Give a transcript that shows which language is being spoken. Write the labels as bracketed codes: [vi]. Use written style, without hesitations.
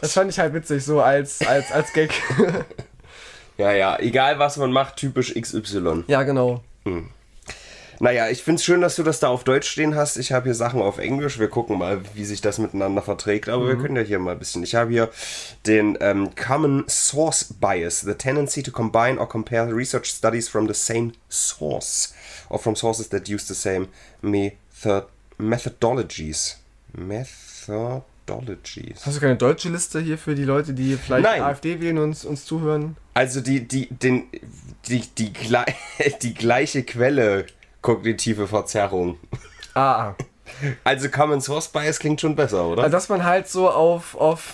[de] Das fand ich halt witzig, so als Gag. Ja, egal was man macht, typisch XY. Ja, genau. Naja, ich find's schön, dass du das da auf Deutsch stehen hast. Ich habe hier Sachen auf Englisch. Wir gucken mal, wie sich das miteinander verträgt. Aber wir können ja hier mal ein bisschen. Ich habe hier den Common Source Bias. [en] The tendency to combine or compare research studies from the same source. Or from sources that use the same methodologies. Methodologies. [de] Hast du keine deutsche Liste hier für die Leute, die vielleicht Nein. AfD wählen und uns zuhören? Also die gleiche Quelle... Kognitive Verzerrung. Ah. Also Common Source Bias klingt schon besser, oder? Also dass man halt so auf